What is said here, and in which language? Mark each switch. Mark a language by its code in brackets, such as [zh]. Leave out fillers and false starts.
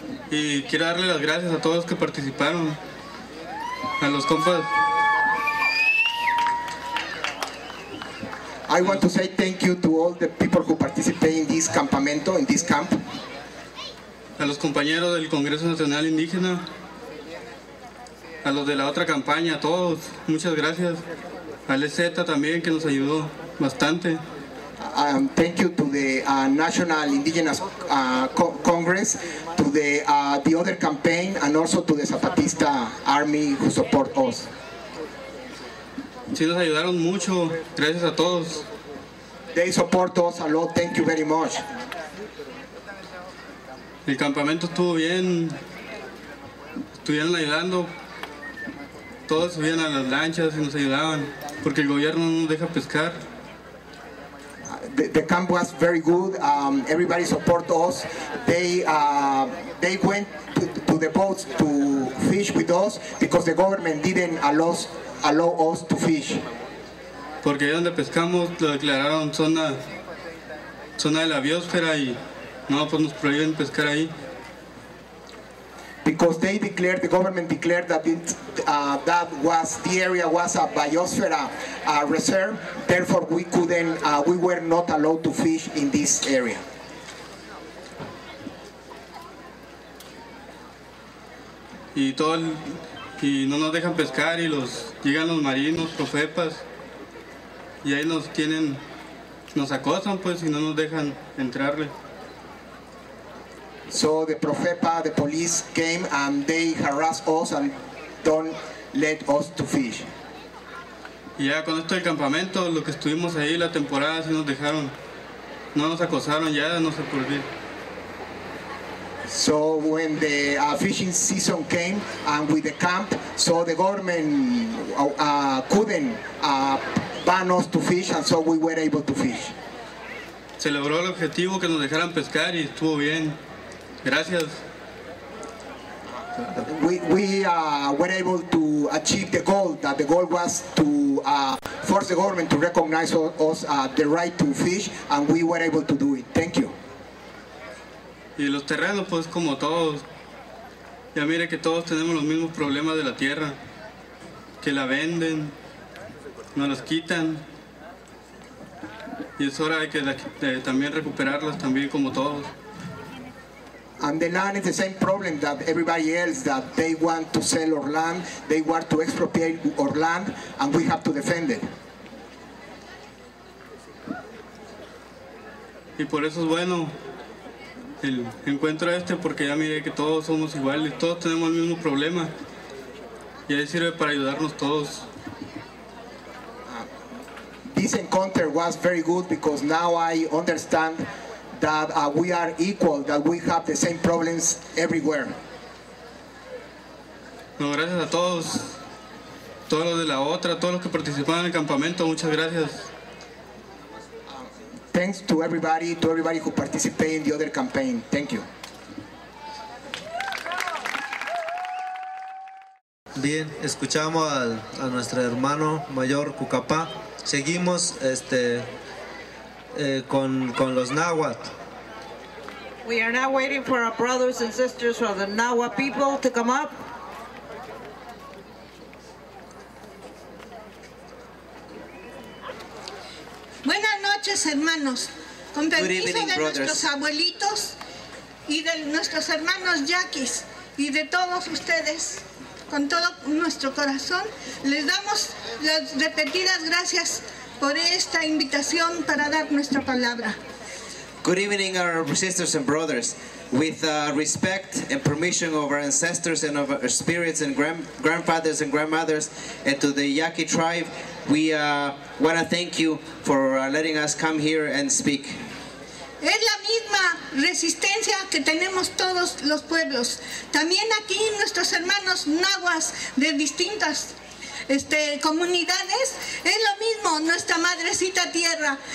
[es] Y quiero darle las gracias a todos que participaron, a los compas. [en] I want to say thank you to all the people who participated in this [es] campamento, [en] in this camp. [es] a los compañeros del Congreso Nacional Indígena, a los de la otra campaña, a todos, muchas gracias. Al EZ también, que nos ayudó bastante. [en] Thank you to the National Indigenous Congress, to the other campaign, and also to the Zapatista Army who support us. [es] Sí, nos ayudaron mucho, gracias a todos. [en] They support us a lot, thank you very much. [es] El campamento estuvo bien, estuvieron ayudando. Todos subían a las lanchas y nos ayudaban, porque el gobierno no nos deja pescar. [en] The camp was very good. Everybody support us. They went to the boats to fish with us because the government didn't allow us to fish. [es] Porque donde pescamos lo declararon zona de la biosfera y no, pues nos prohíben pescar ahí. [en] Because the government declared that that was the area was a biosphere reserve, therefore we were not allowed to fish in this area. [es] Y no nos dejan pescar y llegan los marinos, profepas, y ahí nos acosan pues y no nos dejan entrarle. [en] So the Profepa, the police came and they harass us and don't let us to fish. [es] Ya con esto del campamento, lo que estuvimos ahí la temporada sí nos dejaron, no nos acosaron ya, no se volvió. [en] So when the fishing season came and with the camp, so the government couldn't ban us to fish and so we were able to fish. [es] Se logró el objetivo que nos dejaran pescar y estuvo bien. Gracias. [en] We were able to achieve the goal. That the goal was to force the government to recognize us the right to fish, and we were able to do it. Thank you. [es] Y los terrenos, pues, como todos. Ya mire que todos tenemos los mismos problemas de la tierra, que la venden, nos los quitan, y es hora de que también recuperarlos también como todos. [en] And the land is the same problem that everybody else, that they want to sell our land, they want to expropriate our land, and we have to defend it. [es] Y por eso es bueno el encuentro este, porque ya mire que todos somos iguales, todos tenemos el mismo problema, y ahí sirve para ayudarnos todos. [en] This encounter was very good because now I understand that we are equal, that we have the same problems everywhere. [es] No, gracias a todos, todos los de la otra, todos los que participaron en el campamento, muchas gracias. [en] Thanks to everybody who participated in the other campaign. Thank you. [es] Bien, escuchamos a nuestro hermano mayor Cucapá. Seguimos con los náhuatl. [en] We are now waiting for our brothers and sisters from the Nahua people to come up. [es] Buenas noches, hermanos. Con permiso de nuestros abuelitos y de nuestros hermanos yaquis y de todos ustedes, con todo nuestro corazón, les damos las repetidas gracias por esta invitación para dar nuestra palabra. [en] Good evening, our sisters and brothers. With respect and permission of our ancestors and of our spirits and grandfathers and grandmothers and to the Yaqui tribe, we want to thank you for letting us come here and speak. [es] Es la misma resistencia que tenemos todos los pueblos. También aquí nuestros hermanos nahuas de distintas comunidades, es lo mismo nuestra madrecita tierra.